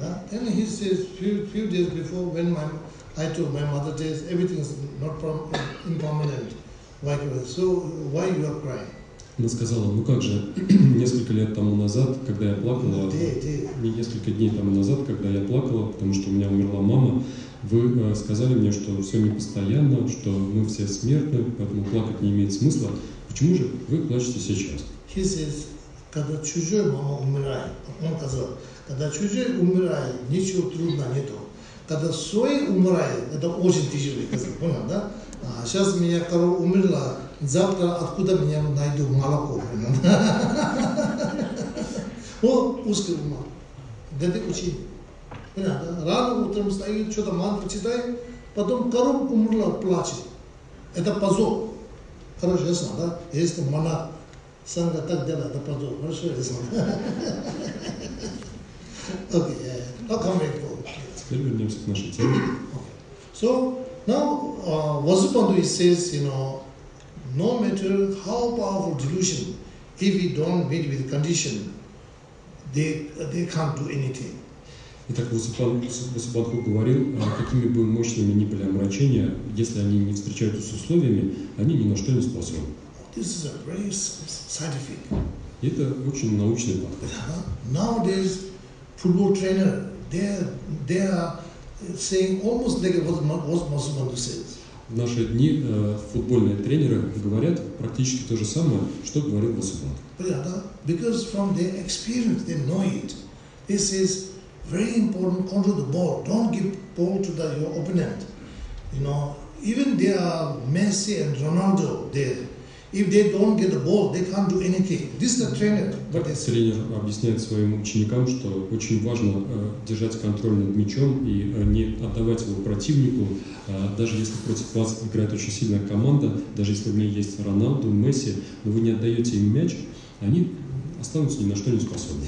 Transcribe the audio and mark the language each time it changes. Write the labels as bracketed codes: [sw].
[en] Then he says, few days before, when I told my mother this, everything is not impermanent. So why you are crying? [ru] Она сказала, ну как же, несколько лет тому назад, когда я плакала, несколько дней тому назад, когда я плакала, потому что у меня умерла мама, вы сказали мне, что все непостоянно, что мы все смертны, поэтому плакать не имеет смысла. Почему же вы плачете сейчас? [en] He says, [ru] когда чужой мама умирает, он сказал, когда чужой умирает, ничего трудного нету. Когда свой умирает, это очень тяжело, сказал, понял, да? А сейчас у меня корова умерла. Завтра откуда меня найду молоко? О, узкий ума. Где учить? Рано утром стоит, что-то мантру читает, потом коров умерла, плачет. Это позор. Хорошо, я знаю, да? Если монах, санга так делает, это позор. Хорошо, я знаю. Окей, Теперь вернемся к нашей теме. [en] So, now, Vasubandhu says, you know, no matter how powerful delusion, if we don't meet with condition, they can't do anything. [ru] Итак, Васубандху говорил, какими бы мощными ни были омрачения, если они не встречаются с условиями, они ни на что не способны. [en] This is a very scientific. [ru] Это очень научный факт. [en] Nowadays, football trainer, they are saying almost like what Vasubandhu says. [ru] В наши дни футбольные тренеры говорят практически то же самое, что говорил Васубандху. [en] Because from their experience they know it. This is very important, control the ball. Don't give ball to your opponent. You know, even they are Messi and Ronaldo there. If they don't get the ball, they can't do anything. This is the trainer. [ru] Как тренер объясняет своим ученикам, что очень важно держать контроль над мячом и не отдавать его противнику, даже если против вас играет очень сильная команда, даже если в ней есть Роналду, Месси, но вы не отдаете им мяч, они останутся ни на что не способны.